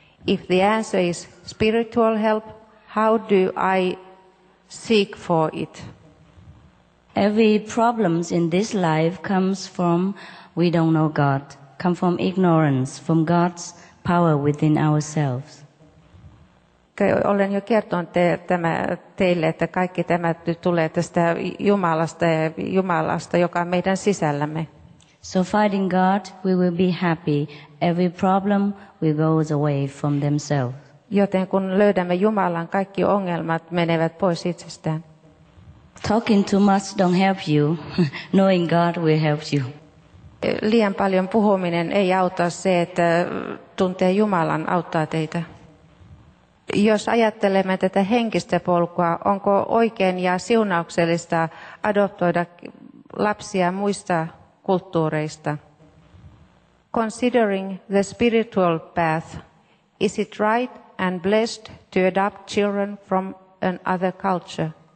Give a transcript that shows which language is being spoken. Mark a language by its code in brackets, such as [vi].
[en] If the answer is spiritual help, how do I seek for it? Every problem in this life comes from we don't know God, come from ignorance, from God's power within ourselves. [fi] Olen jo kertonut teille, että kaikki tämä tulee tästä Jumalasta, joka on meidän sisällämme. [en] So fighting God, we will be happy. Every problem will go away from themselves. [fi] Joten kun löydämme Jumalan, kaikki ongelmat menevät pois itsestään. [en] Talking too much don't help you. Knowing God will help you. [fi] Liian paljon puhuminen ei auta, se, että tuntee Jumalan auttaa teitä. Jos ajattelemme tätä henkistä polkua, onko oikein ja siunauksellista adoptoida lapsia muista kulttuureista? [en] Considering the spiritual path, is it right and blessed to adopt children from another culture?